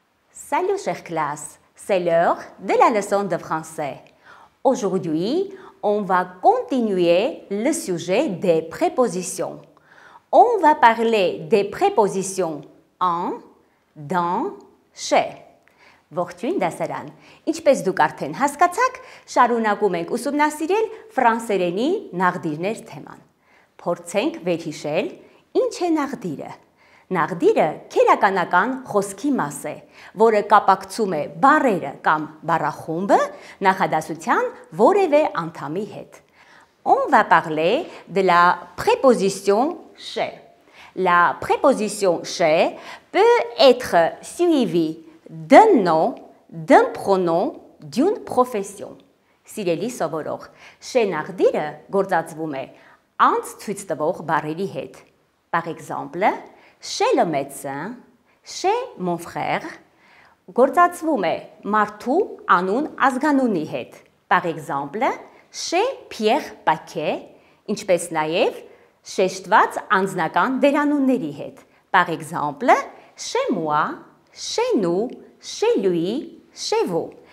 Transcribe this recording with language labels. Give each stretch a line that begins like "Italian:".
French: Salut chère classe, c'est l'heure de la leçon de français. Aujourd'hui, on va continuer le sujet des prépositions. On va parler des prépositions en, dans, chez.
Armenian: Ողջույն դասարան։ Ինչպես դուք արդեն հասկացաք, շարունակում ենք ուսումնասիրել ֆրանսերենի նախդիրներ թեման։ Փորձենք վերհիշել, ինչ է նախդիրը։ Նախդիրը քերականական խոսքի մաս է, որը կապակցում է բառերը կամ բառախումբը նախադասության որևէ անդամի հետ։
French: On va parler de la préposition chez. La préposition chez peut être suivie d'un nom, d'un pronom, d'une profession.
Armenian: Սիրելի սովորող, chez նախդիրը գործածվում է անց ցույց տվող բառերի հետ։
French: Par exemple, chez le médecin, chez mon frère,
Armenian: գործածվում է մարդու անուն ազգանունի հետ։
French: Par exemple, chez Pierre Paquet,
Armenian: ինչպես նաև շեշտված անձնական դերանունների հետ։
French: Par exemple, chez moi, chez nous, chez lui, chez vous.